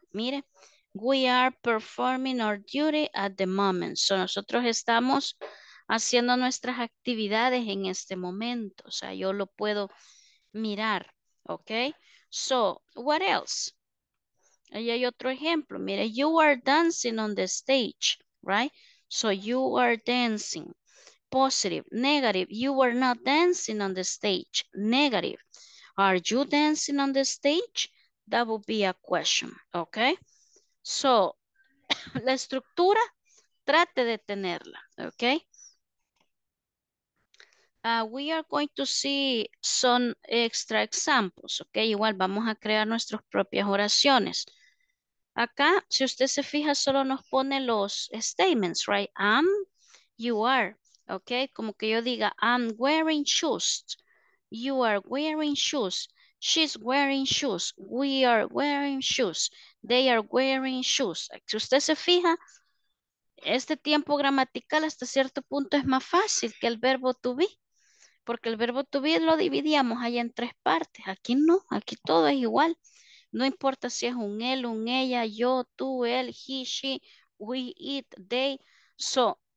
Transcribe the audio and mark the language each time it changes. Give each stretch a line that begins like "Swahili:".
Spanish: Mire,
English: we are performing our duty at the moment.
Spanish: So nosotros estamos haciendo nuestras actividades en este momento. O sea, yo lo puedo mirar, ¿ok?
English: So, what else?
Spanish: Ahí hay otro ejemplo. Mire,
English: you are dancing on the stage, right? So you are dancing. Positive, negative, you are not dancing on the stage, negative. Are you dancing on the stage? That would be a question, okay?
Spanish: So, la estructura, trate de tenerla, okay?
English: We are going to see some extra examples, okay?
Spanish: Igual vamos a crear nuestras propias oraciones. Acá, si usted se fija, solo nos pone los statements,
English: right? Am, you are.
Spanish: Ok, como que yo diga,
English: I'm wearing shoes, you are wearing shoes,
Spanish: she's wearing shoes, we are wearing shoes, they are wearing shoes. Si usted se fija, este tiempo gramatical hasta cierto punto es más fácil que el verbo to be, porque el verbo to be lo dividíamos allá en tres partes, aquí no, aquí todo es igual, no importa si es un él, un ella, yo, tú, él,
English: he, she, we, it, they, so.